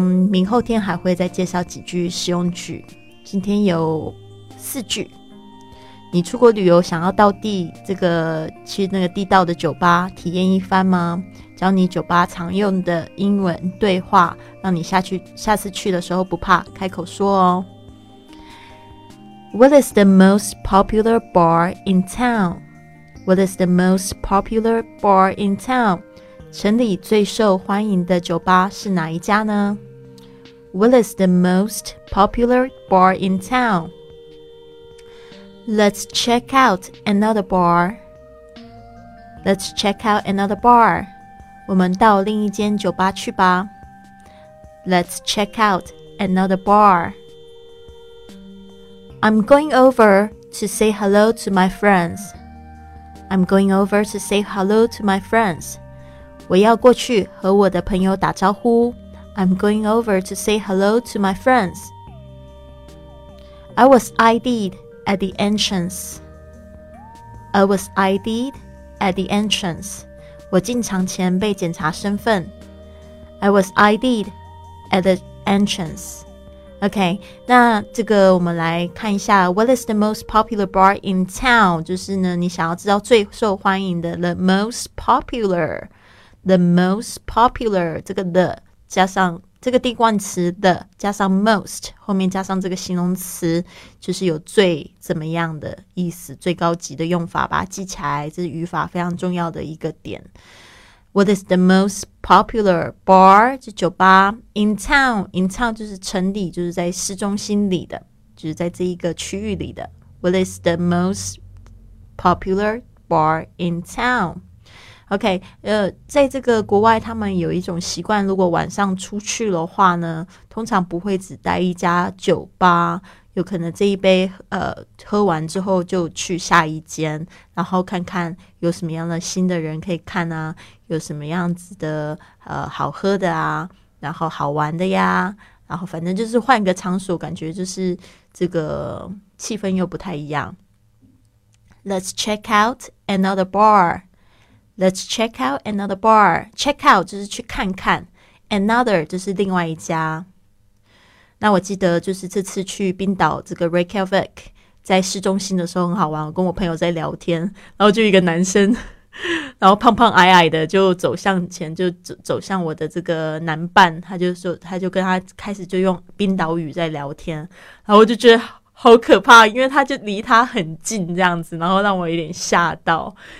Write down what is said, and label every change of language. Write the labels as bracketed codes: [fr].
[zh] 明后天还会再介绍几句实用句，今天有四句。你出国旅游想要到地这个去那个地道的酒吧体验一番吗？教你酒吧常用的英文对话，让你下次去的时候不怕开口说哦。 [en] What is the most popular bar in town? What is the most popular bar in town? [zh] 城里最受欢迎的酒吧是哪一家呢？ [en] What is the most popular bar in town? Let's check out another bar. Let's check out another bar. [zh] 我们到另一间酒吧去吧。 [en] Let's check out another bar. I'm going over to say hello to my friends. I'm going over to say hello to my friends. [zh] 我要过去和我的朋友打招呼。 [en] I'm going over to say hello to my friends. I was ID'd at the entrance. I was ID'd at the entrance. [zh] 我进场前被检查身份。 [en] I was ID'd at the entrance. OK, [zh] 那这个我们来看一下 [en] What is the most popular bar in town? [zh] 就是呢，你想要知道最受欢迎的 [en] The most popular The most popular [zh] 这个 the 加上这个定冠词 the 加上 most 后面加上这个形容词，就是有最怎么样的意思，最高级的用法，把它记起来，这是语法非常重要的一个点。 [en] What is the most popular bar? [zh] 就酒吧 [en] in town. [zh] In town 就是城里，就是在市中心里的，就是在这一个区域里的。 [en] What is the most popular bar in town? [zh] OK, 在这个国外他们有一种习惯，如果晚上出去的话呢，通常不会只待一家酒吧，有可能这一杯喝完之后就去下一间，然后看看有什么样的新的人可以看啊，有什么样子的好喝的啊，然后好玩的呀，然后反正就是换个场所，感觉就是这个气氛又不太一样。 [en] Let's check out another bar. Let's check out another bar. [zh] Check out 就是去看看， another 就是另外一家。那我记得就是这次去冰岛这个 Reykjavik 在市中心的时候很好玩，我跟我朋友在聊天，然后就一个男生，然后胖胖矮矮的就走向前，就走向我的这个男伴，他就说，他就跟他开始就用冰岛语在聊天，然后我就觉得好可怕，因为他就离他很近这样子，然后让我有点吓到，